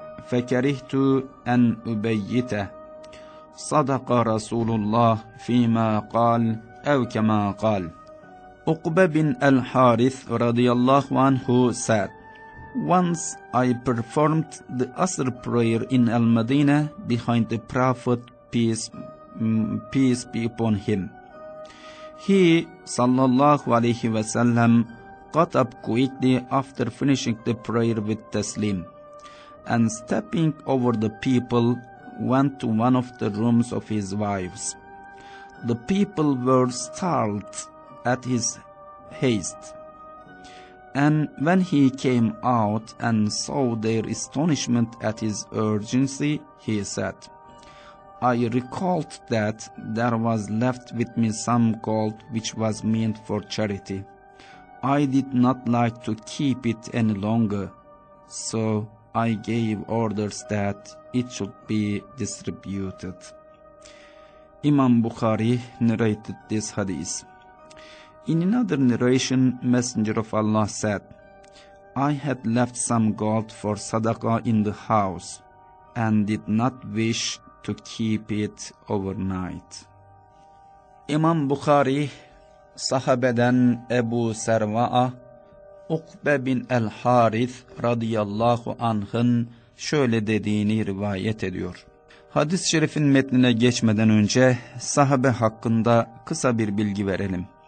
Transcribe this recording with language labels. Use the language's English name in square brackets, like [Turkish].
[Arabic] فكرهت أن أبيته صدق رسول الله فيما قال أو كما قال أقبة بن الحارث رضي الله عنه [English] said Once I performed the Asr prayer in Al-Madinah behind the Prophet, peace be upon him. He, sallallahu alayhi wa sallam, got up quickly after finishing the prayer with Taslim, and stepping over the people, went to one of the rooms of his wives. The people were startled at his haste. And when he came out and saw their astonishment at his urgency, he said, I recalled that there was left with me some gold which was meant for charity. I did not like to keep it any longer, so I gave orders that it should be distributed. Imam Bukhari narrated this hadith. In another narration, Messenger of Allah said, I had left some gold for sadaqah in the house and did not wish to keep it overnight. [Turkish] İmam Bukhari, sahabeden Ebu Serva'a, Ukbe bin el-Harith radıyallahu anh'ın şöyle dediğini rivayet ediyor. Hadis-i şerifin metnine geçmeden önce sahabe hakkında kısa bir bilgi verelim.